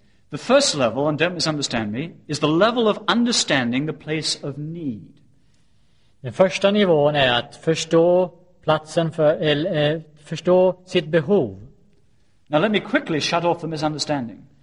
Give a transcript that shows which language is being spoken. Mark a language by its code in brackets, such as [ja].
[en] The first level, and don't misunderstand me, is the level of understanding the place of need. [sv] Den första nivån är att förstå platsen för förstå sitt behov. [en] Now let me quickly shut off the misunderstanding.